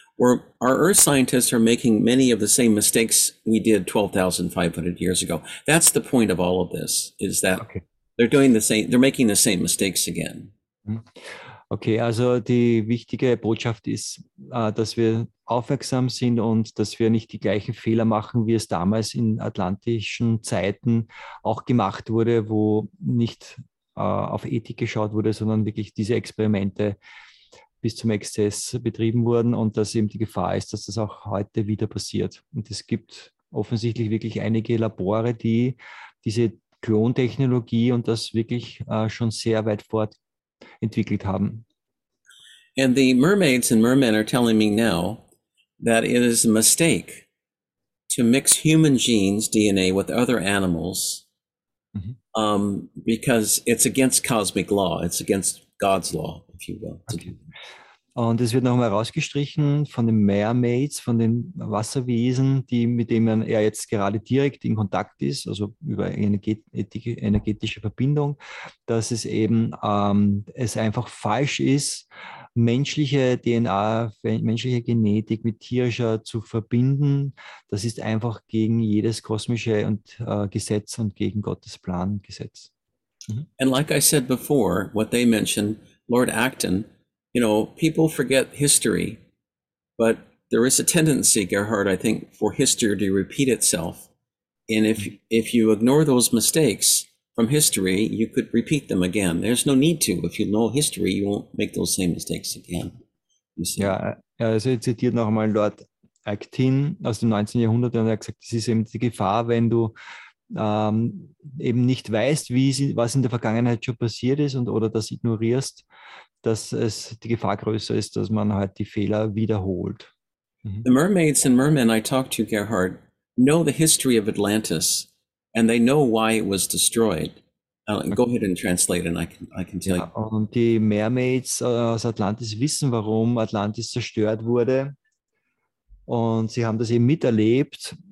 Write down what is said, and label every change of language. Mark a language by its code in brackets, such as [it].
[en] Our Earth scientists are making many of the same mistakes we did 12,500 years ago. That's the point of all of this, is that they're doing the same, they're making the same mistakes again. [de] Okay, also die wichtige Botschaft ist, dass wir aufmerksam sind und dass wir nicht die gleichen Fehler machen, wie es damals in atlantischen Zeiten auch gemacht wurde, wo nicht auf Ethik geschaut wurde, sondern wirklich diese Experimente bis zum Exzess betrieben wurden und dass eben die Gefahr ist, dass das auch heute wieder passiert. Und es gibt offensichtlich wirklich einige Labore, die diese Klontechnologie und das wirklich schon sehr weit fortentwickelt haben. [en] And the mermaids and mermen are telling me now that it is a mistake to mix human genes, DNA, with other animals, because it's against cosmic law, it's against God's law, if you will. [de] Und es wird nochmal herausgestrichen von den Mermaids, von den Wasserwesen, die, mit denen er jetzt gerade direkt in Kontakt ist, also über energetische Verbindung, dass es eben es einfach falsch ist, menschliche DNA, menschliche Genetik mit tierischer zu verbinden. Das ist einfach gegen jedes kosmische und, Gesetz und gegen Gottes Plan Gesetz. [en] And like I said before, what they mentioned, Lord Acton, you know, people forget history, but there is a tendency, Gerhard, I think, for history to repeat itself. And if you ignore those mistakes from history, you could repeat them again. There's no need to. If you know history, you won't make those same mistakes again. [de] Ja, also ich zitiere nochmal Lord Acton aus dem 19. Jahrhundert, und er hat gesagt, es ist eben die Gefahr, wenn du eben nicht weißt, was in der Vergangenheit schon passiert ist oder das ignorierst, dass es die Gefahr größer ist, dass man halt die Fehler wiederholt. [en] The mermaids and mermen I talked to, Gerhard, know the history of Atlantis and they know why it was destroyed. Go ahead and translate and I can tell you. [de] Und die Mermaids aus Atlantis wissen, warum Atlantis zerstört wurde, und sie haben das eben miterlebt.